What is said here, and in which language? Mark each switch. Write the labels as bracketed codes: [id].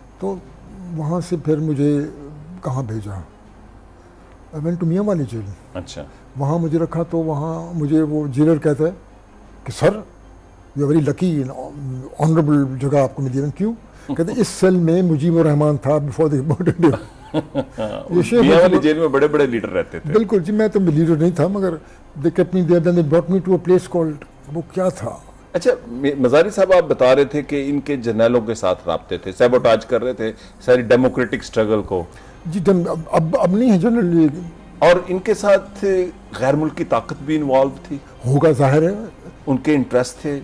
[ur] تو وہاں سے پھر مجھے کہاں بھیجا, [en] went to [ur] میاں والی جیل. اچھا وہاں مجھے رکھا. تو وہاں مجھے وہ جیلر کہتا ہے کہ [en] sir you very lucky, [ur] honourable جگہ آپ کو ملی. کیوں کہتے ہیں اس سیل میں مجیب الرحمان تھا [en] before the [ur] بڑے بڑے لیڈر رہتے تھے. بالکل جی, میں تو لیڈر نہیں تھا مگر [en] they kept me there, then they brought me to a place called, [ur] وہ کیا تھا. اچھا مزاری صاحب آپ بتا رہے تھے کہ ان کے جرنیلوں کے ساتھ رابطے تھے, سیبوٹاج کر رہے تھے ساری ڈیموکریٹک اسٹرگل کو جی. اب نہیں ہے جنرل. اور ان کے ساتھ غیر ملکی طاقت بھی انوالو تھی ہوگا ظاہر ہے, ان کے انٹرسٹ تھے.